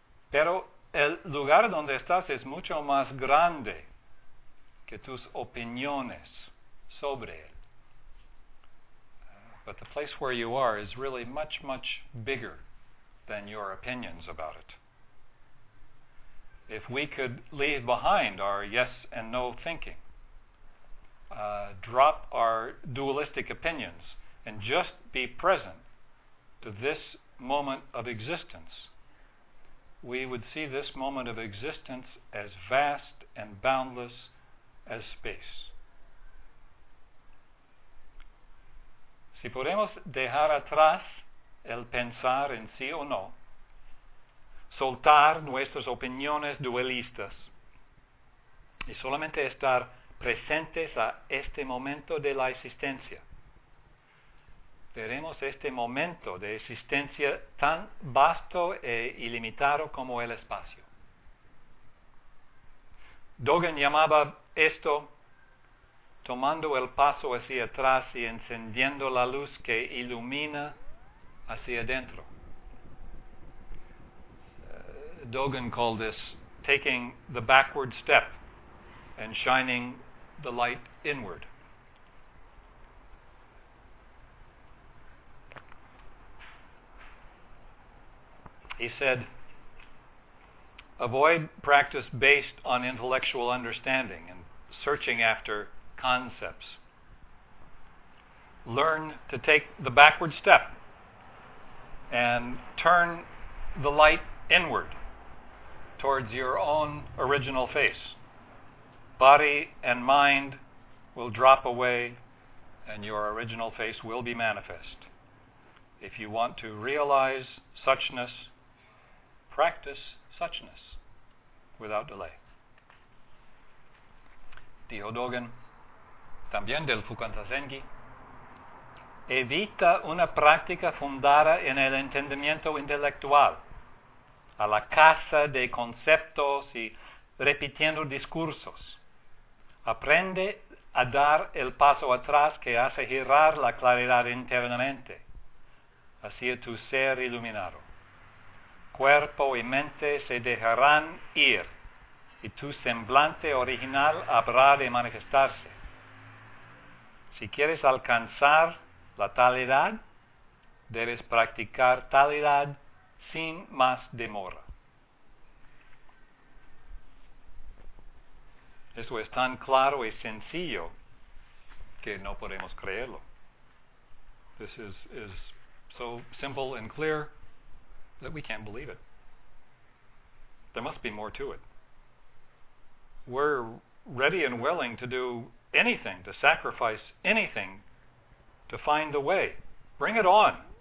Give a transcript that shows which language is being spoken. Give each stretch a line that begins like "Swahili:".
Spanish: Pero el lugar donde estás es mucho más grande que tus opiniones sobre él.
English: But the place where you are is really much, much bigger than your opinions about it. If we could leave behind our yes and no thinking, drop our dualistic opinions, and just be present to this moment of existence, we would see this moment of existence as vast and boundless as space.
Spanish: Si podemos dejar atrás el pensar en sí o no, soltar nuestras opiniones dualistas y solamente estar presentes a este momento de la existencia, veremos este momento de existencia tan vasto e ilimitado como el espacio. Dogen llamaba esto tomando el paso hacia atrás y encendiendo la luz que ilumina hacia adentro.
English: Dogen called this taking the backward step and shining the light inward. He said, avoid practice based on intellectual understanding and searching after concepts. Learn to take the backward step and turn the light inward towards your own original face. Body and mind will drop away and your original face will be manifest. If you want to realize suchness, practice suchness without delay.
Spanish: Dijo Dogen, también del Fukanta Zengi, evita una práctica fundada en el entendimiento intelectual, a la caza de conceptos y repitiendo discursos. Aprende a dar el paso atrás que hace girar la claridad internamente hacia tu ser iluminado. Cuerpo y mente se dejarán ir y tu semblante original habrá de manifestarse. Si quieres alcanzar la talidad, debes practicar talidad sin más demora. Esto es tan claro y sencillo que no podemos creerlo.
English: This is so simple and clear that we can't believe it. There must be more to it. We're ready and willing to do anything, to sacrifice anything, to find the way. Bring it on.